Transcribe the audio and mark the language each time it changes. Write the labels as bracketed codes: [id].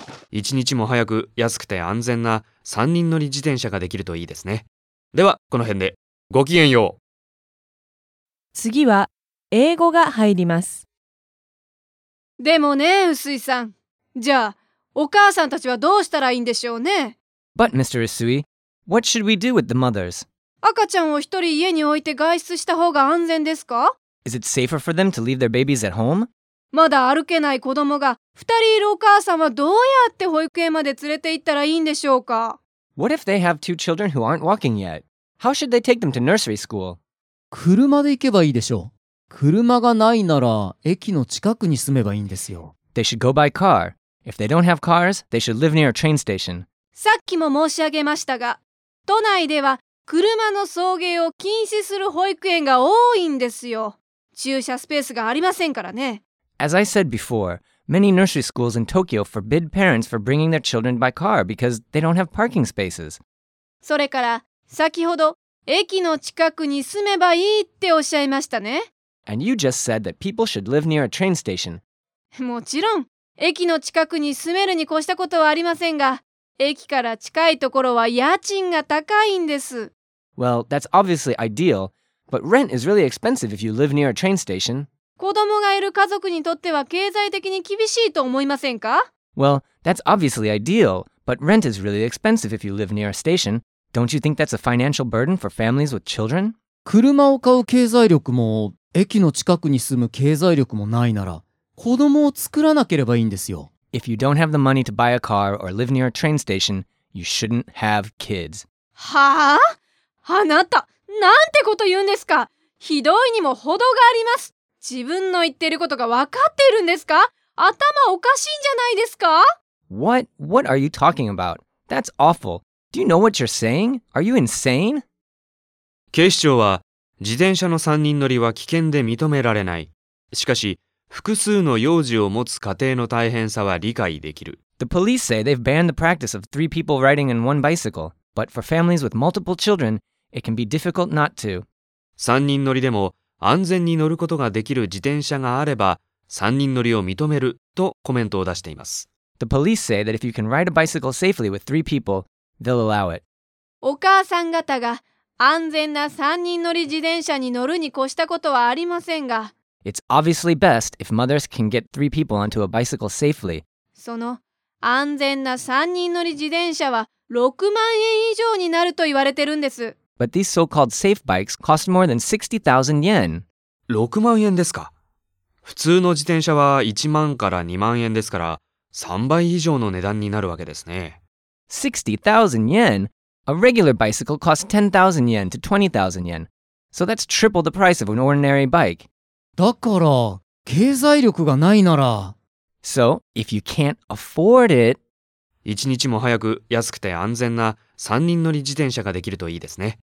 [ja] 一日も早く安くて安全な3人乗り自転車ができるといいですね。では、この辺で。ごきげんよう。次は、英語が入ります。でもね、薄井さん。じゃあ、お母さんたちはどうしたらいいんでしょうね。 [en] But Mr. Usui, what should we do with the mothers? [ja] 赤ちゃんを一人家に置いて外出した方が安全ですか? [en] Is it safer for them to leave their babies at home? [ja] まだ歩けない子供が二人いるお母さんはどうやって保育園まで連れて行ったらいいんでしょうか? [en] What if they have two children who aren't walking yet? How should they take them to nursery school? [ja] 車で行けばいいでしょう。車がないなら駅の近くに住めばいいんですよ。 [en] They should go by car. If they don't have cars, they should live near a train station. [ja] さっきも申し上げましたが、都内では車の送迎を禁止する保育園が多いんですよ。駐車スペースがありませんからね。 [en] As I said before, many nursery schools in Tokyo forbid parents from bringing their children by car because they don't have parking spaces. [ja] それから、先ほど駅の近くに住めばいいっておっしゃいましたね。 [en] And you just said that people should live near a train station. [ja] もちろん、駅の近くに住めるに越したことはありませんが、駅から近いところは家賃が高いんです。 [en] Well, that's obviously ideal, but rent is really expensive if you live near a train station. [ja] 子供がいる家族にとっては経済的に厳しいと思いませんか? [en] Well, that's obviously ideal, but rent is really expensive if you live near a station. Don't you think that's a financial burden for families with children? [ja] 車を買う経済力も、駅の近くに住む経済力もないなら、子供を作らなければいいんですよ。 [en] If you don't have the money to buy a car or live near a train station, you shouldn't have kids. [ja] はあ？あなた、なんてこと言うんですか？ひどいにも程があります。自分の言ってることが分かっているんですか？頭おかしいんじゃないですか？ [en] What? What are you talking about? That's awful. Do you know what you're saying? Are you insane? [ja] 警視庁は、自転車の3人乗りは危険で認められない。しかし、複数の幼児を持つ家庭の大変さは理解できる。 [en] The police say they've banned the practice of three people riding in one bicycle, but for families with multiple children, it can be difficult not to. [ja] 3人乗りでも安全に乗ることができる自転車があれば、3人乗りを認めるとコメントを出しています。 [en] The police say that if you can ride a bicycle safely with three people, they'll allow it. [ja] お母さん方が安全な3人乗り自転車に乗るに越したことはありませんが、 [en] It's obviously best if mothers can get three people onto a bicycle safely. [ja] その安全な3人乗り自転車は6万円以上になると言われてるんです。 [en] But these so-called safe bikes cost more than 60,000 yen. [ja] 6万円ですか。普通の自転車は1万から2万円ですから、3倍以上の値段になるわけですね。 [en] 60,000 yen? A regular bicycle costs 10,000 yen to 20,000 yen. So that's triple the price of an ordinary bike. [ja] だから、経済力がないなら。 [en] So, if you can't afford it... [ja] 一日も早く安くて安全な三人乗り自転車ができるといいですね。